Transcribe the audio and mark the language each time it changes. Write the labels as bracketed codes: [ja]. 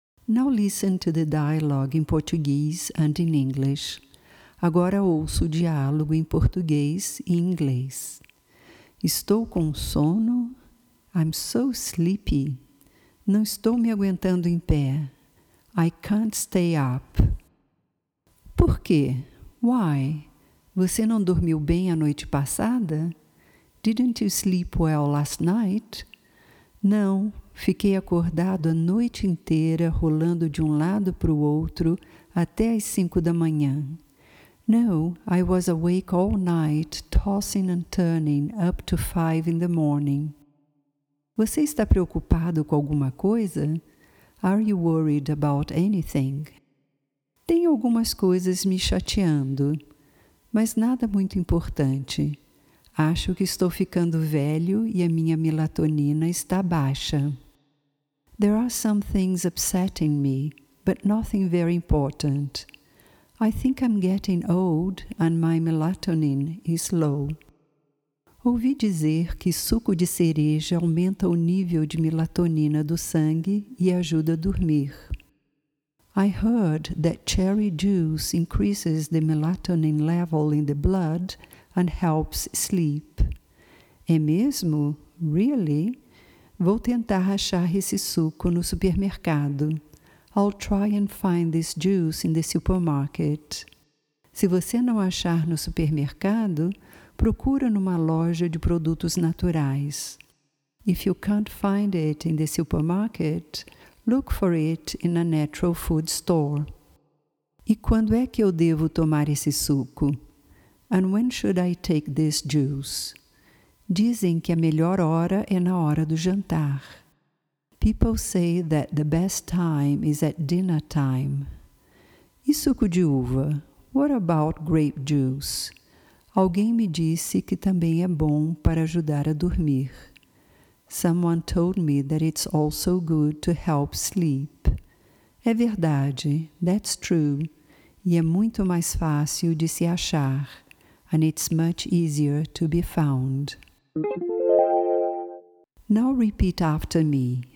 [en] Now listen to the dialogue in Portuguese and in English. [pt] Agora ouço o diálogo em português e inglês. Estou com sono. [en] I'm so sleepy. [pt] Não estou me aguentando em pé. [en] I can't stay up. [pt] Por quê? [en] Why? [pt] Você não dormiu bem a noite passada? [en] Didn't you sleep well last night? [pt] Não, fiquei acordado a noite inteira, rolando de um lado para o outro, até às 5 da manhã. [en] No, I was awake all night, tossing and turning, up to 5 in the morning. [pt] Você está preocupado com alguma coisa? [en] Are you worried about anything? [pt] Tem algumas coisas me chateando, mas nada muito importante. Acho que estou ficando velho e a minha melatonina está baixa. [en] There are some things upsetting me, but nothing very important. I think I'm getting old and my melatonin is low. [pt] Ouvi dizer que suco de cereja aumenta o nível de melatonina do sangue e ajuda a dormir. [en] I heard that cherry juice increases the melatonin level in the blood and helps sleep. [pt] É mesmo? [en] Really? [pt] Vou tentar achar esse suco no supermercado. [en] I'll try and find this juice in the supermarket. [pt] Se você não achar no supermercado, procura numa loja de produtos naturais. [en] If you can't find it in the supermarket, look for it in a natural food store. [pt] E quando é que eu devo tomar esse suco? [en] And when should I take this juice? [pt] Dizem que a melhor hora é na hora do jantar. [en] People say that the best time is at dinner time. [pt] E suco de uva? [en] What about grape juice? [pt] Alguém me disse que também é bom para ajudar a dormir. [en] Someone told me that it's also good to help sleep. [pt] É verdade. [en] That's true. [pt] E é muito mais fácil de se achar. [en] And it's much easier to be found. Now repeat after me.